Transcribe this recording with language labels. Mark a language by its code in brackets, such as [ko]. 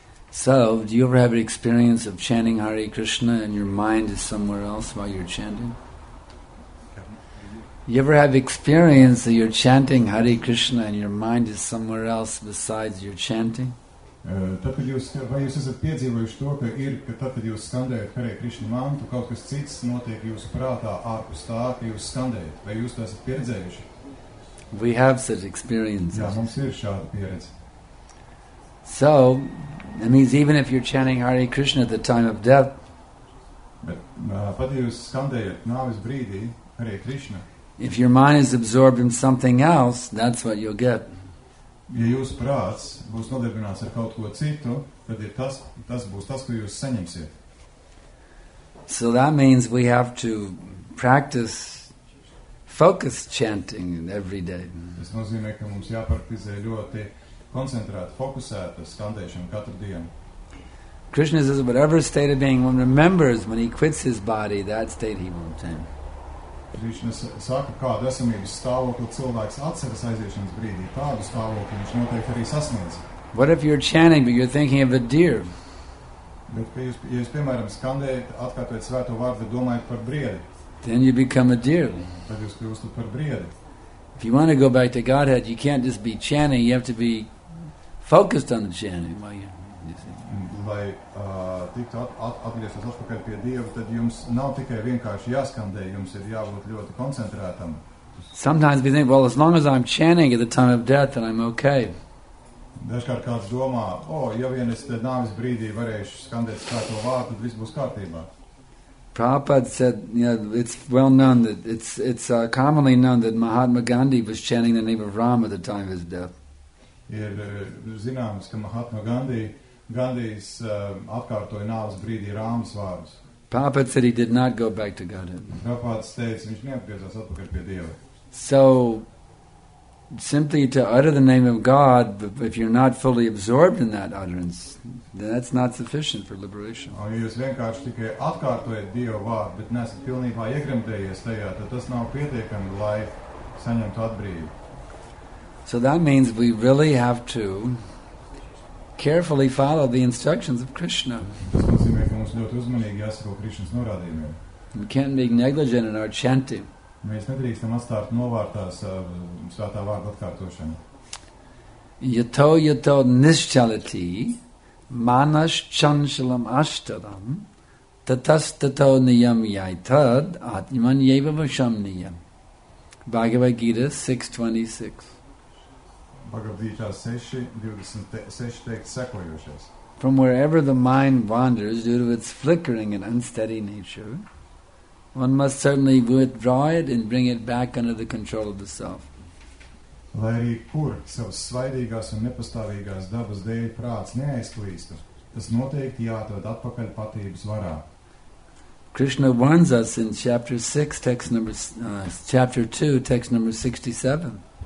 [en] So, do you ever have an experience of chanting Hare Krishna and your mind is somewhere else while you're chanting? You ever have experience that you're chanting Hare Krishna and your mind is somewhere else besides your chanting? [lv] Vai jūs esat piedzīvojuši to, ka ir, ka tad, kad jūs skandējat Hare Krishna mantu, kaut kas cits notiek jūsu prātā ārpus tā, ka jūs skandējat? Vai jūs to esat pieredzējuši? [en] We have such experiences. [lv] Jā, mums ir šāda pieredze. [en] So, that means even if you're chanting Hare Krishna at the time of death, [lv] pat jūs skandējat nāves brīdī Hare Krishna, [en] if your mind is absorbed in something else, that's what you'll get. [lv] Ja jūs prāts būs nodarbināts ar kaut ko citu, tad ir tas, tas būs tas, ko jūs saņemsiet. [en] So that means we have to practice focused chanting every day. [lv] Tas nozīmē, ka mums jāpraktizē ļoti koncentrēt, fokusēt skandēšanu katru dienu. [en] Krishna says, whatever state of being one remembers when he quits his body, that state he will attain. [lv] Krishna saka, kāda esamības stāvokli cilvēks atceras aiziešanas brīdī, tādu stāvokli viņš noteikti arī sasniedz. [en] What if you're chanting, but you're thinking of a deer? [lv] Bet, ja jūs, piemēram, skandējat, atkārtojat svēto vārdu, domājat par briedi. [en] Then you become a deer. [lv] Tad jūs kļūstat par briedi. [en] If you want to go back to Godhead, you can't just be chanting, you have to be focused on the chanting. [lv] Lai tiktu atgriezties atpakaļ pie Dieva, tad jums nav tikai vienkārši jāskandē, jums ir jābūt ļoti koncentrētam. [en] Sometimes we think, well, as long as I'm chanting at the time of death, then I'm okay. [lv] Dažkārt kāds domā, oh, ja vien es nāvis brīdī varēšu skandēt svēto vārdu, tad viss būs kārtībā. [en] Prabhupada said, you know, it's well known that it's commonly known that Mahatma Gandhi was chanting the name of Ram at the time of his death. [lv] Ir zināms, ka Mahatma Gandhijs atkārtoja nāves brīdī Rāmas vārdus. [en] Prabhupada said he did not go back to Godhead. [lv] Prabhupada teica, viņš neatgriezās atpakaļ pie Dieva. [en] So, simply to utter the name of God, if you're not fully absorbed in that utterance, then that's not sufficient for liberation. [lv] Ja jūs vienkārši tikai atkārtojat Dieva vārdu, bet neesat pilnībā iegremdējies tajā, tad tas nav pietiekami, lai saņemtu atbrīvi. [en] So that means we really have to carefully follow the instructions of Krishna. [lv] Tas nozīmē, ka mums ļoti uzmanīgi jāsako Krišnas norādījumiem. [en] We can't be negligent in our chanting. [lv] Mēs nedrīkstam atstāt novārtās svētā vārda atkārtošana. [sa] Yato yato nischalati manas chanchalam ashtaram tatastato niyam yaitad atman yeva vasham niyam. [en] Bhagavad Gita 6.26. [lv] Bhagavad Gita 6.26 teikt sekojošies. [en] From wherever the mind wanders due to its flickering and unsteady nature, one must certainly withdraw it and bring it back under the control of the self. [lv] Lai arī kur savas svaidīgās un nepastāvīgās dabas dēļ prāts neaizklīstu, tas noteikti jāatved atpakaļ patības varā. [en] Krishna warns us in chapter 6, text number, chapter 2, text number 67.